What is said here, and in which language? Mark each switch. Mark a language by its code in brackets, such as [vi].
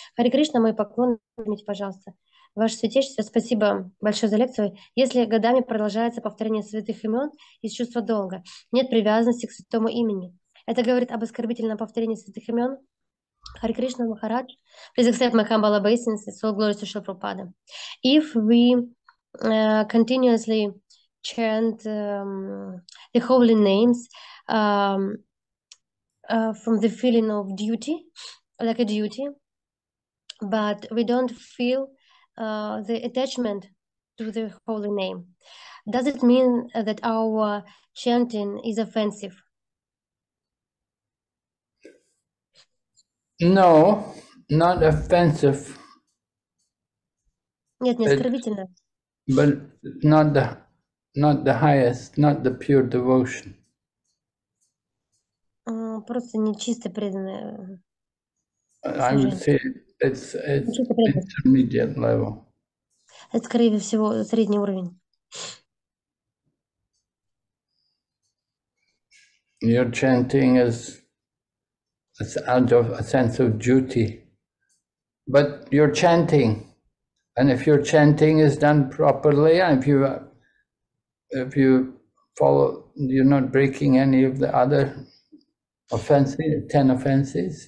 [ru] Хари Кришна, мой поклон, извините, пожалуйста. Ваше святейшество, спасибо большое за лекцию. Если годами продолжается повторение святых имен из чувства долга, нет привязанности к святому имени. Это говорит об оскорбительном повторении святых имен. [en] Хари Кришна, Махарадж. Please accept my humble obeisances. All glory to Шрила Прабхупада. If we continuously chant the holy names, from the feeling of duty, like a duty, but we don't feel the attachment to the holy name. Does it mean that our chanting is offensive? No, not offensive. [ru] Нет, не оскорбительно. [en] But not the highest, not the pure devotion. [ru] Просто не чисто преданное. [en] I would say it's intermediate level. [ru] Это, скорее всего, средний уровень. [en] Your chanting is out of a sense of duty. But you're chanting. And if your chanting is done properly, if you follow, you're not breaking any of the other ten offenses.